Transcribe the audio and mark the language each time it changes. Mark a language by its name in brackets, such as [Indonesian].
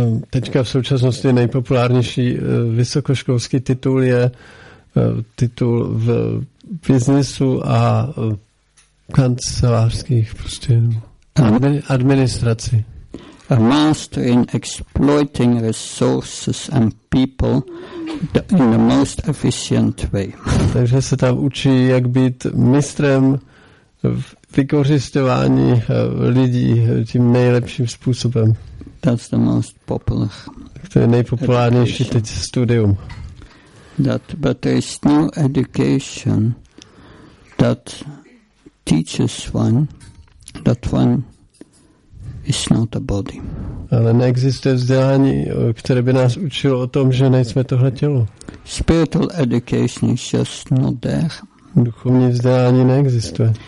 [Czech] Teďka v současnosti nejpopulárnější vysokoškolský titul je titul v biznesu a kancelářských prostě administraci. [English] A master in exploiting resources and people in the most efficient way. [Czech] Takže se tam učí, jak být mistrem v vykořisťování lidí tím nejlepším způsobem. [English] That's the most popular. [Czech] To je nejpopulárnější teď studium. [English] That, but there is no education that teaches one that one is not a body. [Czech] Ale neexistuje vzdělání, které by nás učilo o tom, že nejsme tohle tělo. [English] Spiritual education is just not there. [Czech] Duchovní vzdělání neexistuje.